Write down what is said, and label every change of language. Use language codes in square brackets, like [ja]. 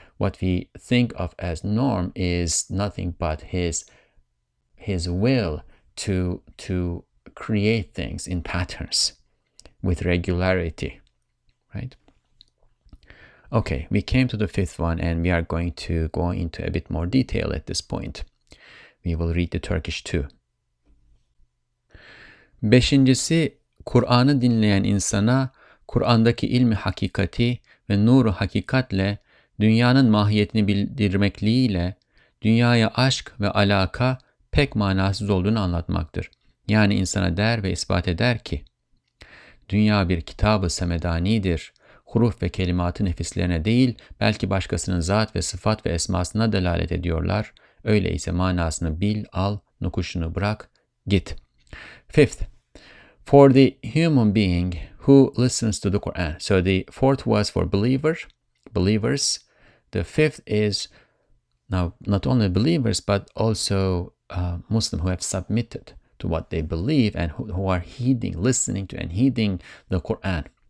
[en] What we think of as norm is nothing but his will to create things in patterns with regularity, right? Okay, we came to the fifth one and we are going to go into a bit more detail at this point. We will read the Turkish too. [tr] Beşincisi, Kur'an'ı dinleyen insana Kur'an'daki ilmi hakikati ve nuru hakikatle dünyanın mahiyetini bildirmekliğiyle dünyaya aşk ve alaka pek manasız olduğunu anlatmaktır. Yani insana der ve ispat eder ki, dünya bir kitab-ı semedanidir. Huruf ve kelimatı nefislerine değil, belki başkasının zat ve sıfat ve esmasına delalet ediyorlar. Öyleyse manasını bil, al, nukuşunu bırak, git. [en] Fifth, for the human being who listens to the Quran. So the fourth was for believers. The fifth is now not only believers, but also Muslims who have submitted to what they believe and who are heeding, listening to and heeding the Quran.